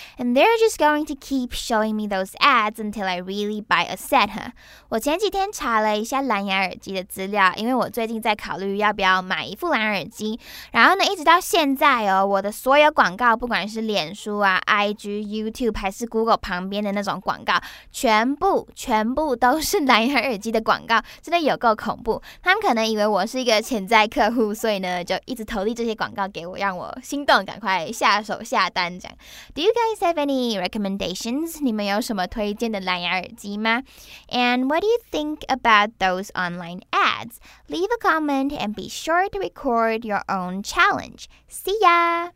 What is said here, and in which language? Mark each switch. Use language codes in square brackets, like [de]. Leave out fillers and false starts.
[en] And they're just going to keep showing me those ads until I really buy a set, huh? [zh] 我前几天查了一下蓝牙耳机的资料，因为我最近在考虑要不要买一副蓝牙耳机。然后呢，一直到现在哦，我的所有广告，不管是脸书啊、IG、YouTube 还是 Google 旁边的那种广告，全部都都是蓝牙耳机的广告，真的有够恐怖。他们可能以为我是一个潜在客户，所以呢，就一直投递这些广告给我，让我心动，赶快下手下单这样。 [en] Do you guys have any recommendations? [zh] 你们有什么推荐的蓝牙耳机吗？ [en] And what do you think about those online ads? Leave a comment and be sure to record your own challenge. See ya!